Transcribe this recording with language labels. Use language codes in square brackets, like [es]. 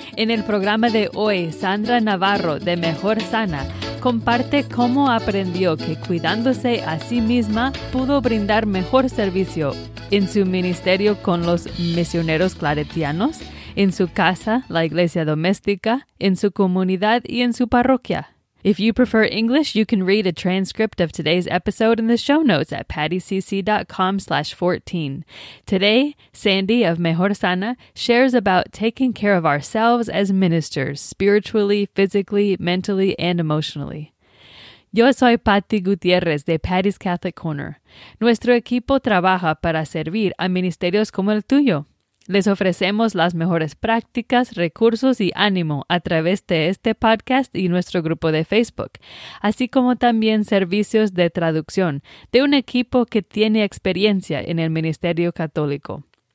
[es] En el programa de hoy, Sandra Navarro, de Mejor Sana, comparte cómo aprendió que cuidándose a sí misma pudo brindar mejor servicio en su ministerio con los misioneros claretianos, en su casa, la iglesia doméstica, en su comunidad y en su parroquia. [en] If you prefer English, you can read a transcript of today's episode in the show notes at pattycc.com/14. Today, Sandy of Mejor Sana shares about taking care of ourselves as ministers, spiritually, physically, mentally, and emotionally. [es] Yo soy Patty Gutierrez de Patty's Catholic Corner. Nuestro equipo trabaja para servir a ministerios como el tuyo. Les ofrecemos las mejores prácticas, recursos y ánimo a través de este podcast y nuestro grupo de Facebook, así como también servicios de traducción de un equipo que tiene experiencia en el ministerio católico.